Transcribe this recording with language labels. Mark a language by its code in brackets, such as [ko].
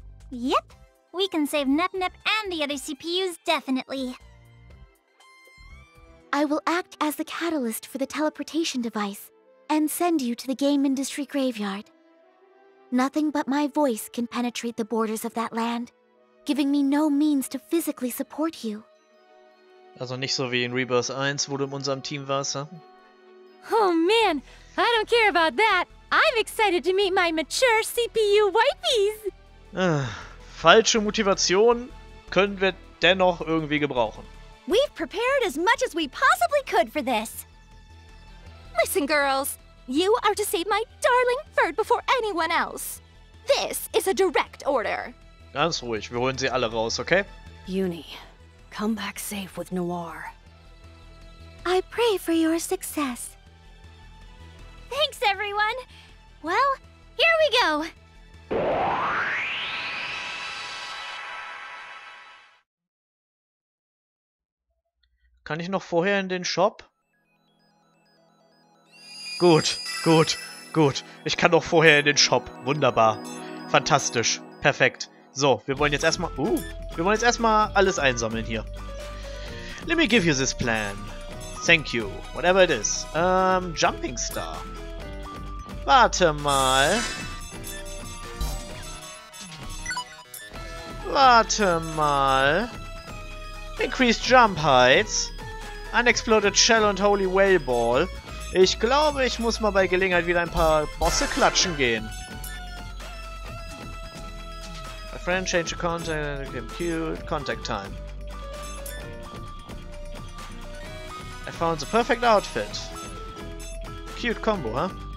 [en] Yep, we can save Nepnep and the other CPUs definitely. I will act as the catalyst for the teleportation device and send you to the game industry graveyard. Nothing but my voice can penetrate the borders of that land, giving me no means to physically support you. [de] Also nicht so wie in Rebirth 1, wo du in unserem Team warst, huh? [en] Oh man, I don't care about that. I'm excited to meet my mature CPU wifeys. [de] Falsche Motivation können wir dennoch irgendwie gebrauchen. [en] We've prepared as much as we possibly could for this. Listen, girls. You are to save my darling Ferd before anyone else. This is a direct order. [de] Ganz ruhig, wir holen sie alle raus, okay? [en] Uni, come back safe with Noir. I pray for your success. Thanks, everyone. Well, here we go. [de] Kann ich noch vorher in den Shop? Gut, gut, gut. Ich kann noch vorher in den Shop. Wunderbar. Fantastisch. Perfekt. So, wir wollen jetzt erstmal... Wir wollen jetzt erstmal alles einsammeln hier. [en] Let me give you this plan. Thank you. Whatever it is. [de] Jumping Star. Warte mal. Warte mal. Increased Jump Heights. Unexploded Shell und Holy Whale Ball. Ich glaube, ich muss mal bei Gelegenheit wieder ein paar Bosse klatschen gehen. [en] My friend, change the contact and compute contact time. I found the perfect outfit. Cute combo, huh?